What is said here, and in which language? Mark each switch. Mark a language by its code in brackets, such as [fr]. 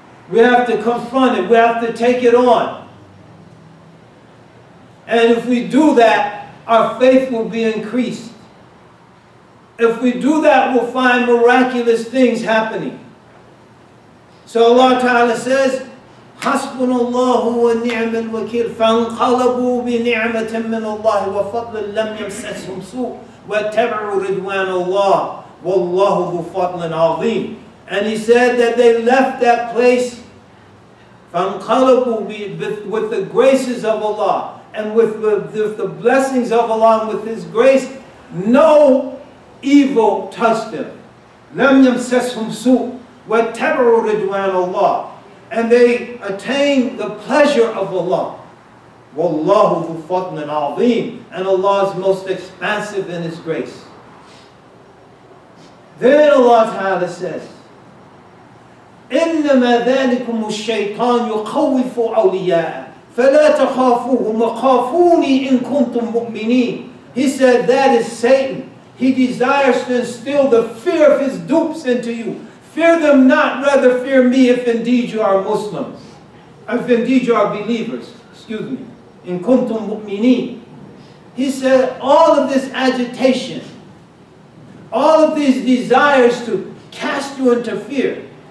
[en] We have to confront it, we have to take it on. And if we do that, our faith will be increased. If we do that, we'll find miraculous things happening. So Allah Ta'ala says, [ar] حَسْبُنَ اللَّهُ وَالنِّعْمَ الْوَكِيلُ فَانْقَلَبُوا بِنِعْمَةٍ مِّنَ اللَّهِ وَفَضْلٍ لَمْ يَمْسَسْهُمْ سُوءٌ وَاتَّبَعُوا رِضْوَانَ اللَّهِ وَاللَّهُ ذُو فَضْلٍ عَظِيمٍ. [en] And he said that they left that place فَانْقَلَبُوا with the graces of Allah and with the blessings of Allah and with His grace, no evil touched them. [ar] لَمْ يَمْسَسْهُمْ سُوءٌ وَاتَّبَعُوا رِضْوَانَ اللَّهِ. [en] And they attain the pleasure of Allah. [ar] وَاللَّهُ ذُو فَضْلٍ عَظِيمٍ. [en] And Allah is most expansive in His grace. Then Allah Ta'ala says, [ar] إِنَّمَا ذَلِكُمُ الشَّيْطَانُ يُخَوِّفُ أَوْلِيَاءَ فَلَا تَخَافُوهُمْ وَخَافُونِي إِن كُنْتُم مُؤْمِنِينَ. [en] He said, that is Satan. He desires to instill the fear of his dupes into you. Fear them not, rather fear me if indeed you are Muslims. If indeed you are believers, excuse me. [ar] In kuntum mu'mineen. [en] He said, all of this agitation, all of these desires to cast you into fear.